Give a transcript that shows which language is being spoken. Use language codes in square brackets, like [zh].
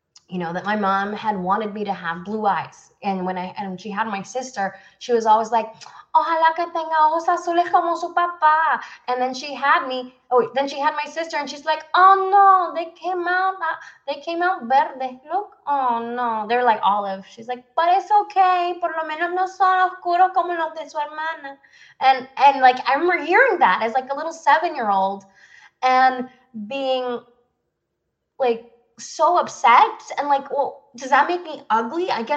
[en] You know, that my mom had wanted me to have blue eyes. And when she had my sister, she was always like, [es] ojalá que tenga ojos azules como su papá. [en] And then she had me, then she had my sister and she's like, oh no, they came out verde. Look, oh no, they're like olive. She's like, but it's okay. [es] Por lo menos no son oscuros como los de su hermana. [en] And like, I remember hearing that as like a little 7-year-old and being like, so upset and like, well, does that make me ugly?